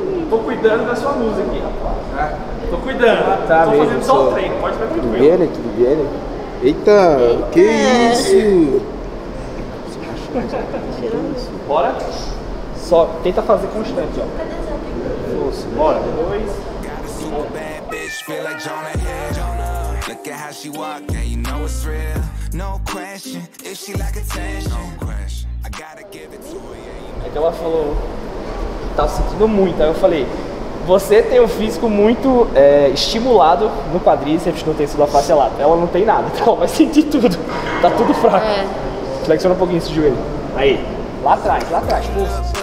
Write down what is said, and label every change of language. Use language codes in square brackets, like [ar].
[pt] Tô cuidando da sua luz aqui. Tô cuidando. Tá, tô mesmo, fazendo só o treino, pode ficar tranquilo. Tudo bem, tudo bem? Né? Eita, que é isso? Bora? Só tenta fazer constante, ó. Bora, dois. [en] Bitch, feel like Jonah here. Jonah. Look at how she walk, and you know it's real. No question, if she like attention. No question, I gotta give it to her. Yeah, you know. [pt] Aí ela falou, tá sentindo muito. Aí eu falei, você tem um físico muito estimulado no quadríceps, no tecido da face lá. Ela não tem nada, então ela vai sentir tudo. Tá tudo fraco. É. Flexiona um pouquinho esse joelho. Aí, lá atrás, pulsa.